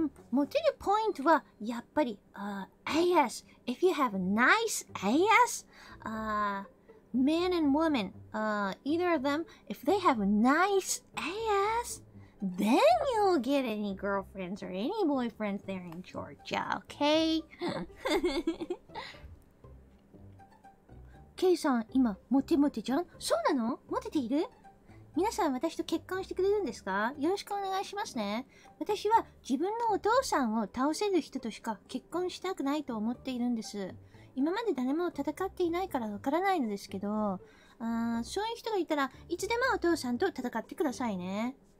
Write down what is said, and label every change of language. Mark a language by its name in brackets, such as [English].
[Japanese] モテるポイントはやっぱり ass. [English] If you have a nice ass, man and woman, either of them, if they have a nice ass, then you'll get any girlfriends or any boyfriends there in Georgia, okay? [Japanese] K さん、今モテモテじゃん。そうなの？モテている？皆さん、私と結婚してくれるんですか？よろしくお願いしますね。私は自分のお父さんを倒せる人としか結婚したくないと思っているんです。今まで誰も戦っていないからわからないのですけど、そういう人がいたらいつでもお父さんと戦ってくださいね。